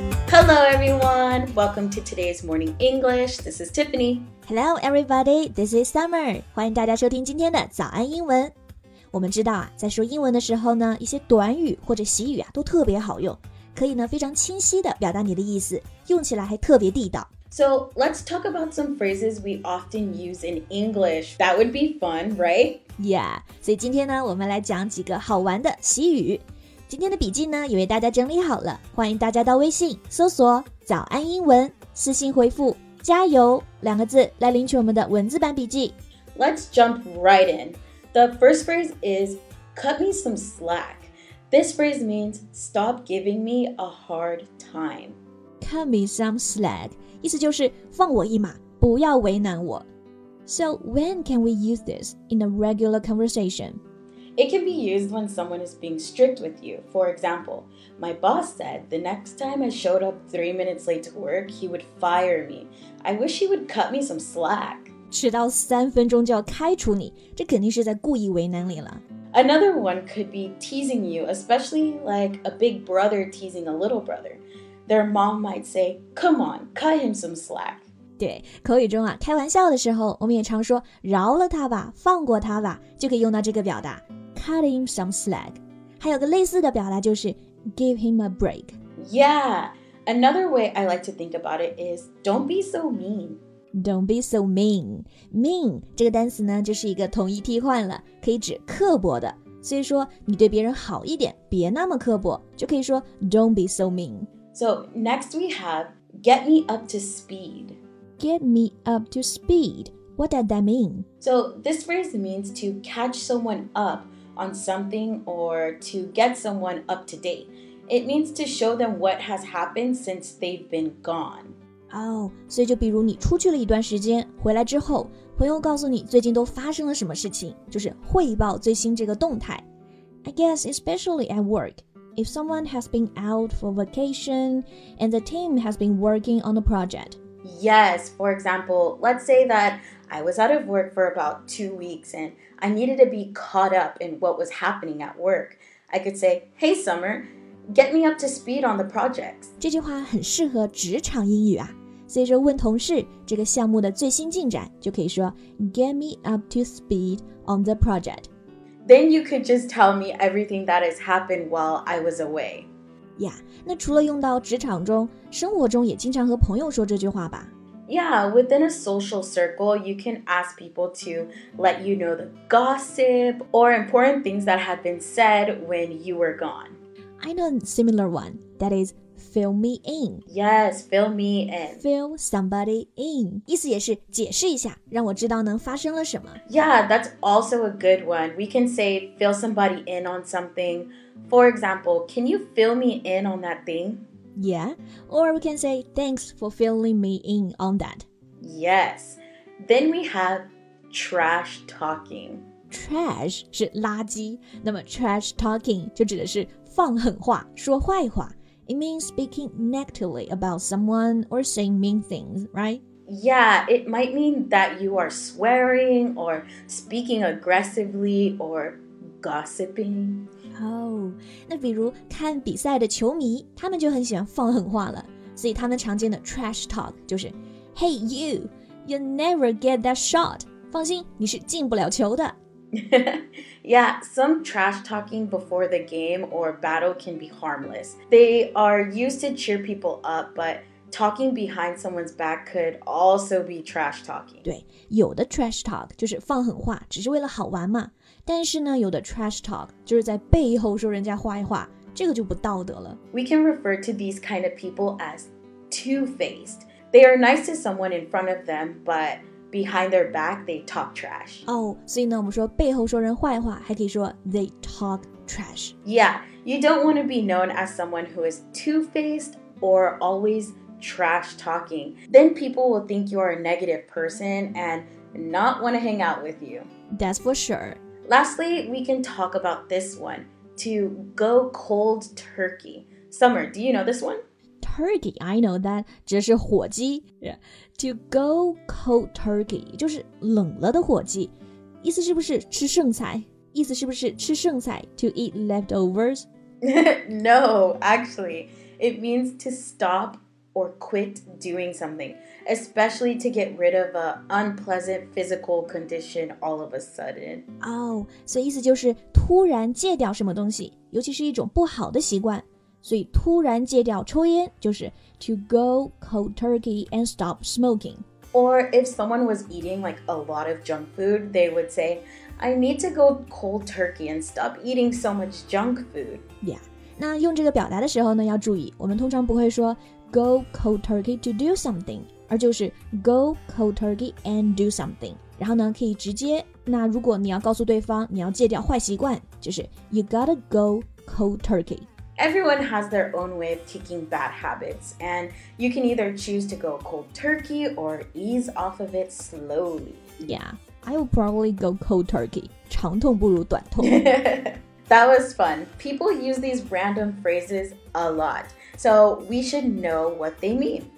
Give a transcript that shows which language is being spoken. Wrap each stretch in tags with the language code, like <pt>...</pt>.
<en>Hello everyone, welcome to today's Morning English. This is Tiffany. Hello everybody, this is Summer.</en> <zh>欢迎大家收听今天的早安英文。我们知道啊，在说英文的时候呢，一些短语或者习语啊都特别好用，可以呢非常清晰地表达你的意思，用起来还特别地道。</zh> <en>So let's talk about some phrases we often use in English. That would be fun, right?</en> <zh>Yeah, 所以今天呢，我们来讲几个好玩的习语。今天的笔记呢，也为大家整理好了，欢迎大家到微信搜索“早安英文”，私信回复“加油”两个字来领取我们的文字版笔记。</zh> <en>Let's jump right in. The first phrase is "cut me some slack." This phrase means "stop giving me a hard time." Cut me some slack.</en> <zh>意思就是放我一马，不要为难我。</zh> <en>So when can we use this in a regular conversation? It can be used when someone is being strict with you. For example, my boss said the next time I showed up 3 minutes late to work, he would fire me. I wish he would cut me some slack.</en> <zh>迟到三分钟就要开除你，这肯定是在故意为难你了。</zh> <en>Another one could be teasing you, especially like a big brother teasing a little brother. Their mom might say, come on, cut him some slack.</en> <zh>对，口语中啊，开玩笑的时候，我们也常说，饶了他吧，放过他吧，就可以用到这个表达。</zh> <en>Cut him some slack.</en> <zh>还有个类似的表达就是</zh> <en>give him a break. Yeah, another way I like to think about it is don't be so mean. Don't be so mean.</en> <zh>Mean 这个单词呢就是一个统一替换了，可以指刻薄的。所以说你对别人好一点，别那么刻薄，就可以说</zh> <en>don't be so mean. So next we have get me up to speed. Get me up to speed. What does that mean? So this phrase means to catch someone up. On something or to get someone up to date. It means to show them what has happened since they've been gone.</en> <zh>Oh, 所以就比如你出去了一段时间，回来之后，朋友告诉你最近都发生了什么事情，就是汇报最新这个动态。</zh> <en>I guess especially at work, if someone has been out for vacation and the team has been working on a project. Yes, for example, let's say that I was out of work for about 2 weeks andI needed to be caught up in what was happening at work. I could say, hey Summer, get me up to speed on the projects.</en> <zh>这句话很适合职场英语啊。所以说问同事这个项目的最新进展就可以说</zh> <en>get me up to speed on the project. Then you could just tell me everything that has happened while I was away.</en> <zh>Yeah, 那除了用到职场中，生活中也经常和朋友说这句话吧。</zh> <en>Yeah, within a social circle, you can ask people to let you know the gossip or important things that have been said when you were gone. I know a similar one, that is, fill me in. Yes, fill me in. Fill somebody in.</en> <zh>意思也是解释一下，让我知道能发生了什么。</zh> <en>Yeah, that's also a good one. We can say fill somebody in on something. For example, can you fill me in on that thing? Yeah, or we can say, thanks for filling me in on that. Yes. Then we have trash talking.</en> <zh>Trash 是垃圾，那么 trash talking 就指的是放狠话，说坏话。</zh> <en>It means speaking negatively about someone or saying mean things, right? Yeah, it might mean that you are swearing or speaking aggressively or gossiping.</en> <zh>那比如看比赛的球迷，他们就很喜欢放狠话了，所以他们常见的 trash talk 就是</zh> <en>Hey you, you never get that shot.</en> <zh>放心，你是进不了球的。</zh> <en>Yeah, some trash talking before the game or battle can be harmless. They are used to cheer people up, but talking behind someone's back could also be trash talking.</en> <zh>对，有的 trash talk 就是放狠话，只是为了好玩嘛。但是呢，有的 trash talk 就是在背后说人家坏话，这个就不道德了。</zh> <en>We can refer to these kind of people as two-faced. They are nice to someone in front of them, but behind their back, they talk trash.</en> <zh>Oh, 所以呢，我们说背后说人坏话，还可以说</zh> <en>they talk trash. Yeah, you don't want to be known as someone who is two-faced or always trash talking. Then people will think you are a negative person and not want to hang out with you. That's for sure. Lastly, we can talk about this one, to go cold turkey. Summer, do you know this one? Turkey, I know that,</en> <zh>这是火鸡。</zh> <en>Yeah. To go cold turkey,</en> <zh>就是冷了的火鸡。意思是不是吃剩菜？意思是不是吃剩菜</zh> <en>to eat leftovers? No, actually, it means to stop or quit doing something, especially to get rid of an unpleasant physical condition all of a sudden.</en> <zh>Oh, 所以意思就是突然戒掉什么东西，尤其是一种不好的习惯。所以突然戒掉抽烟就是</zh> <en>to go cold turkey and stop smoking. Or if someone was eating like a lot of junk food, they would say, I need to go cold turkey and stop eating so much junk food.</en> <zh>Yeah, 那用这个表达的时候呢要注意，我们通常不会说</zh> <en>Go cold turkey to do something,</en> <zh>而就是</zh> <en>go cold turkey and do something.</en> <zh>然后呢可以直接，那如果你要告诉对方你要戒掉坏习惯，就是</zh> <en>you gotta go cold turkey. Everyone has their own way of kicking bad habits, and you can either choose to go cold turkey or ease off of it slowly. Yeah, I will probably go cold turkey.</en> <zh>长痛不如短痛。</zh> <en>That was fun. People use these random phrases a lot, so we should know what they mean.</en>